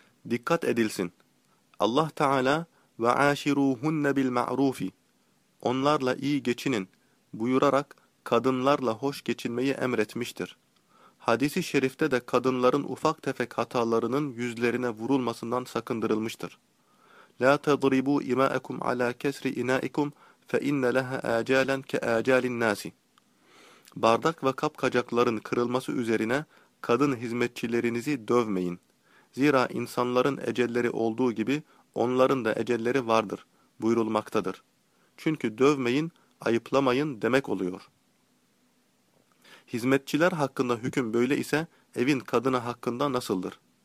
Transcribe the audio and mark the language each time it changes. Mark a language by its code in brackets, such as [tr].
[tr] Dikkat edilsin. Allah Teala [ar] "ve aşiruhunne bil ma'rufi" [tr] onlarla iyi geçinin buyurarak kadınlarla hoş geçinmeyi emretmiştir. Hadis-i şerifte de kadınların ufak tefek hatalarının yüzlerine vurulmasından sakındırılmıştır. [ar] لَا تَضْرِبُوا اِمَاءَكُمْ عَلَى كَسْرِ اِنَائِكُمْ فَاِنَّ لَهَا اَجَالًا كَاَجَالِ النَّاسِ [tr] Bardak ve kap kacakların kırılması üzerine kadın hizmetçilerinizi dövmeyin. Zira insanların ecelleri olduğu gibi onların da ecelleri vardır buyurulmaktadır. Çünkü dövmeyin, ayıplamayın demek oluyor. Hizmetçiler hakkında hüküm böyle ise evin kadını hakkında nasıldır?